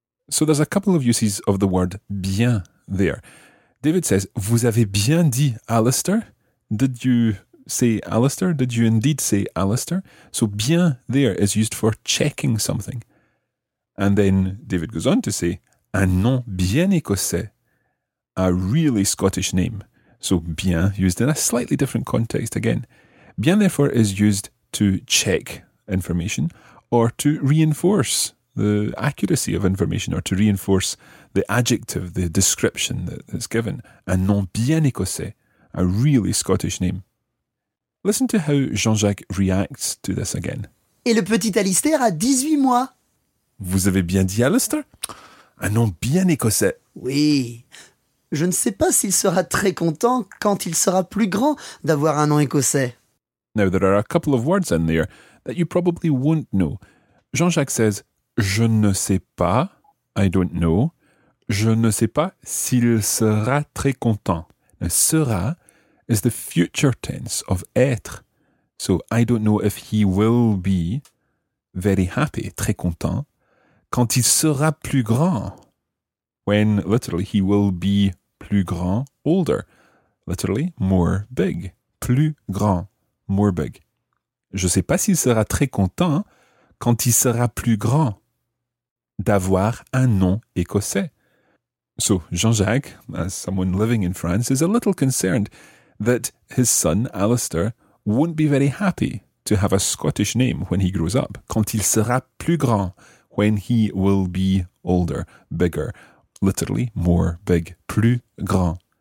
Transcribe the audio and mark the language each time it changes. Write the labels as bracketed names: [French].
[English] So there's a couple of uses of the word bien there. David says, [French] vous avez bien dit Alistair? [English] Did you say Alistair? Did you indeed say Alistair? So bien there is used for checking something. And then David goes on to say, [French] un nom bien écossais, [English] a really Scottish name. So bien, used in a slightly different context again. Bien, therefore, is used to check information or to reinforce the accuracy of information or to reinforce the adjective, the description that's given. [French] Un nom bien écossais, [English] a really Scottish name. Listen to how Jean-Jacques reacts to this again. [French] Et le petit Alistair a 18 mois. Vous avez bien dit Alistair? Un nom bien écossais. Oui. Je ne sais pas s'il sera très content quand il sera plus grand d'avoir un nom écossais. [English] Now, there are a couple of words in there that you probably won't know. Jean-Jacques says, [French] je ne sais pas, [English] I don't know. [French] Je ne sais pas s'il sera très content. [English] Now, sera is the future tense of être. So, I don't know if he will be very happy, très content. [French] Quand il sera plus grand, [English] when literally he will be plus grand, older, literally more big, plus grand, more big. [French] Je ne sais pas s'il sera très content quand il sera plus grand d'avoir un nom écossais. [English] So Jean-Jacques, as someone living in France, is a little concerned that his son, Alistair, won't be very happy to have a Scottish name when he grows up. [French] Quand il sera plus grand. [English] When he will be older, bigger, literally more big, plus grand.